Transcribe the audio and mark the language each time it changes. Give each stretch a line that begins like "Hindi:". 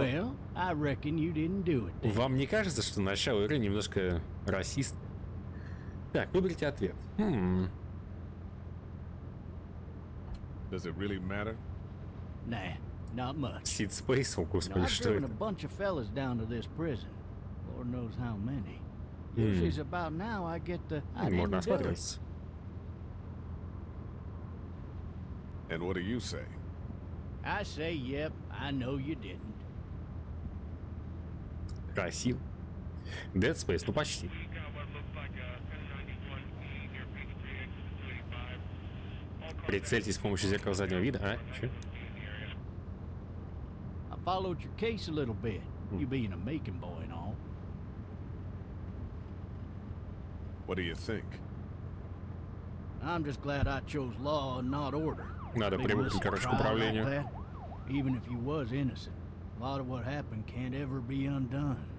English: Well, I reckon you didn't do it.
Russian: Вам не кажется, что начало игры немножко расист? Так, выберите ответ.
English: Does it really matter? Nah, not much.
Russian: Сид Спейс, о господи, что это?
English: I've driven a bunch of fellas down to this prison. Lord knows how many. If it's about now, I get the...
Russian: Можно осматриваться.
English: And what do you say? I say, yep, I know you didn't.
Russian: Красив. Dead Space, ну почти. Прицельтесь с помощью зеркала заднего вида, а? Че?
English: I followed your case a little bit, you being a making boy and all. What do you think? I'm just glad I chose law and not order.
Russian: Надо привыкнуть, короче, к управлению.
English: Even if you was innocent, a lot of what happened can't ever be undone.